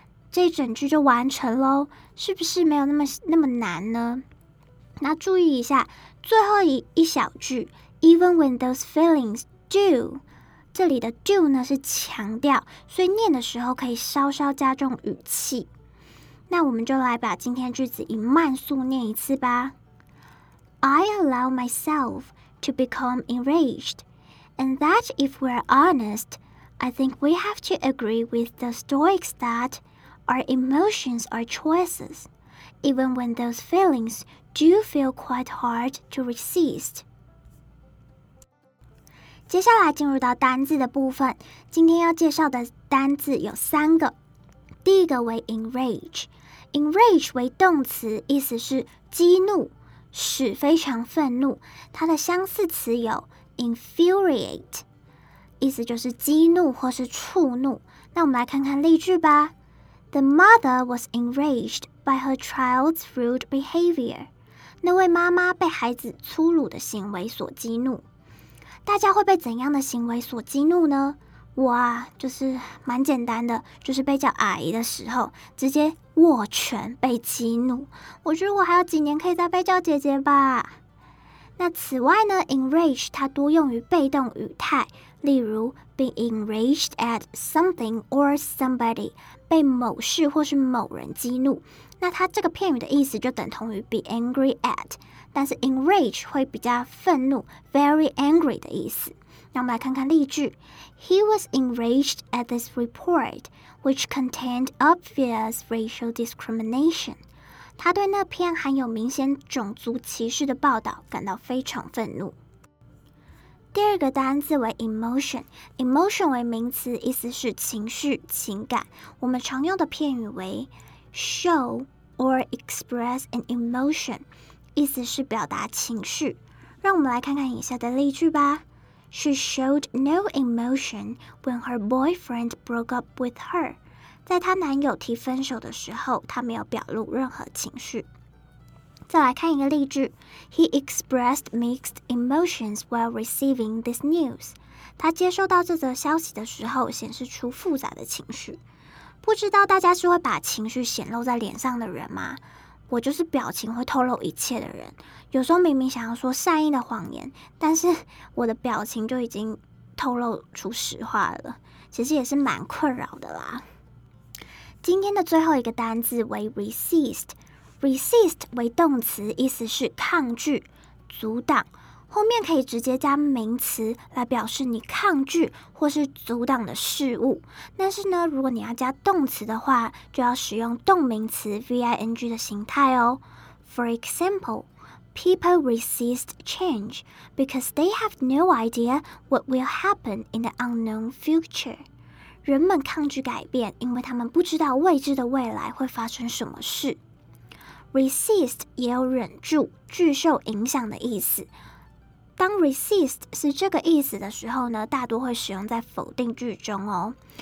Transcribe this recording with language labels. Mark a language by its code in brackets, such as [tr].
[zh] 这整句就完成咯是不是没有那么难呢那注意一下最后一小句 , [en] even when those feelings do, [zh] 这里的 do 呢是强调所以念的时候可以稍稍加重语气。那我们就来把今天句子以慢速念一次吧。 [en] I allow myself to become enraged, and that if we're honest, I think we have to agree with the Stoics that our emotions are choices, even when those feelings do you feel quite hard to resist? [zh] 接下来进入到单字的部分，今天要介绍的单字有三个。第一个为 enrage， enrage 为动词，意思是激怒，使非常愤怒。它的相似词有 infuriate， 意思就是激怒或是触怒。那我们来看看例句吧。 [en] The mother was enraged by her child's rude behavior. [zh] 那位妈妈被孩子粗鲁的行为所激怒，大家会被怎样的行为所激怒呢？我啊，就是蛮简单的，就是被叫阿姨的时候，直接握拳被激怒。我觉得我还有几年可以再被叫姐姐吧。那此外呢 ，enrage 它多用于被动语态，例如 [en] be enraged at something or somebody， [zh] 被某事或是某人激怒。那它这个片语的意思就等同于 [en] be angry at， [zh] 但是 enrage 会比较愤怒 ， [en] very angry [zh] 的意思。那我们来看看例句 [en] ：He was enraged at this report, which contained obvious racial discrimination. [zh] 他对那篇含有明显种族歧视的报道感到非常愤怒。第二个单字为 emotion，emotion 为名词，意思是情绪、情感。我们常用的片语为。 [en] Show or express an emotion, [zh] 意思是表达情绪。让我们来看看以下的例句吧。 [en] She showed no emotion when her boyfriend broke up with her. [zh] 在她男友提分手的时候，她没有表露任何情绪。再来看一个例句。 [en] He expressed mixed emotions while receiving this news. [zh] 他接受到这则消息的时候显示出复杂的情绪。不知道大家是会把情绪显露在脸上的人吗？我就是表情会透露一切的人。有时候明明想要说善意的谎言，但是我的表情就已经透露出实话了，其实也是蛮困扰的啦。今天的最后一个单字为 resist， resist 为动词，意思是抗拒、阻挡，后面可以直接加名词来表示你抗拒或是阻挡的事物。但是呢，如果你要加动词的话，就要使用动名词 ving 的形态哦。 [en] For example, people resist change because they have no idea what will happen in the unknown future. [zh] 人们抗拒改变，因为他们不知道未知的未来会发生什么事。 Resist 也有忍住、拒受影响的意思。当 resist 是这个意思的时候呢，大多会使用在否定句中哦。